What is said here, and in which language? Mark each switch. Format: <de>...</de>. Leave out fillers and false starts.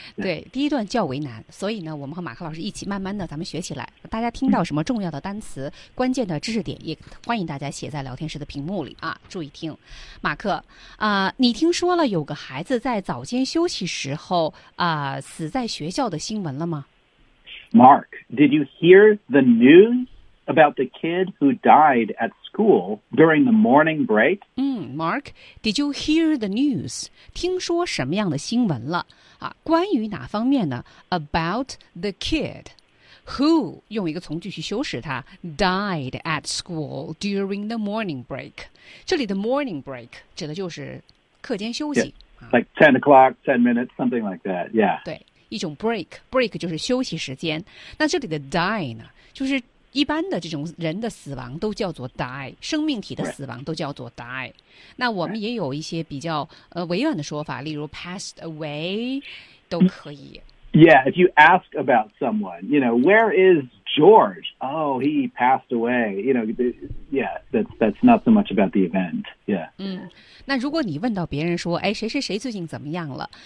<zh>对，第一段较为难，所以呢，我们和马克老师一起慢慢的，咱们学起来。大家听到什么重要的单词、关键的知识点，也欢迎大家写在聊天室的屏幕里啊，注意听。马克，你听说了有个孩子在早间休息时候死在学校的新闻了吗？</zh> <en>Mark, did you hear the news about the kid who died at school during the morning break? Mark, did you hear the news?</en> <zh>听说什么样的新闻了？关于哪方面呢？</zh> <en>About the kid who,</en> <zh>用一个从句去修饰它，</zh> <en>died at school during the morning break.</en> <zh>这里的 morning break 指的就是课间休息。</zh> <en>Like 10 o'clock, 10 minutes, something like that, yeah.</en> <zh>对。一种 break 就是休息时间，那这里的 die 呢，就是一般的这种人的死亡都叫做 die， 生命体的死亡都叫做 die。那我们也有一些比较委婉的说法，例如 passed away 都可以。</zh> <en>Yeah, if you ask about someone, you know, where is George? Oh, he passed away. You know, yeah, that's not so much about the event. Yeah.</en> <zh>那如果你问到别人说，哎，谁谁谁最近怎么样了？</zh>